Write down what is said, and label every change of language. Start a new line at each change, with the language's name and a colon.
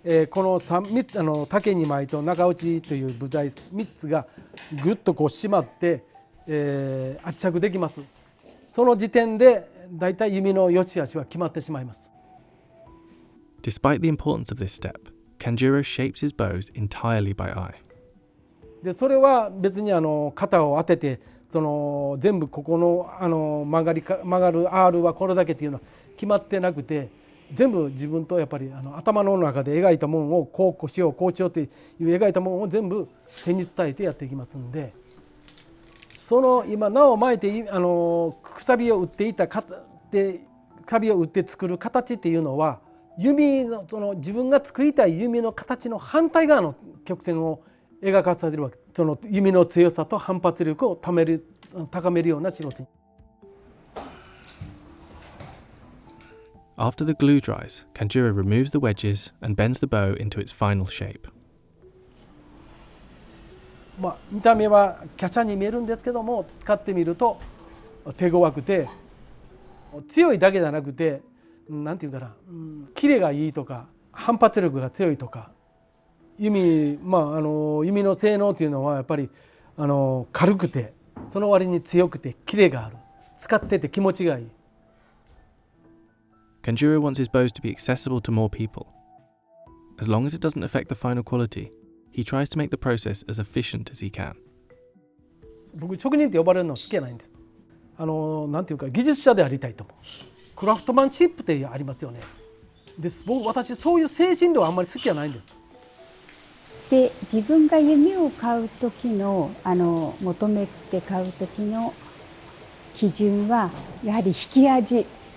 Japanese: この3つ竹2枚と中打ちという部材3つがぐっとこう締まって圧着できますその時点でだいたい弓の良し悪しは決まってしまいます。
English: Despite the importance of this step, Kanjuro shapes his bows entirely by eye.
Japanese: で、それは別に肩を当てて、その全部ここの曲がる R はこれだけっていうのは決まってなくて、全部自分とやっぱり頭の中で描いたものをこうしよう、こうしようっていう描いたものを全部手に伝えてやっていきますんで、その今なお巻いてくさびを打っていた型で、くさびを打って作る形っていうのは、弓のその自分が作りたい弓の形の反対側の曲線を描かされるわけ。その弓の強さと反発力を高めるような仕事。
English: After the glue dries, Kanjuro removes the wedges and bends the bow into its final shape.
Japanese: まあ、見た目は華奢に見えるんですけども、使ってみると手ごわくて、強いだけじゃなくて、なんていうかな、キレがいいとか、反発力が強いとか、弓の性能というのはやっぱり軽くて、その割に強くて、キレがある。使ってて気持ちがいい。
English: Kanjuro wants his bows to be accessible to more people. As long as it doesn't affect the final quality, he tries to make the process as efficient as he can.
Japanese: 僕、職人って呼ばれるの好きじゃないんです。なんていうか、技術者でありたいと思う。クラフトマンシップってありますよね。です。僕、私、そういう精神ではあんまり好きじゃないんです。で、自分が弓を買う時の、求めて買う時の基準は、やはり引き味。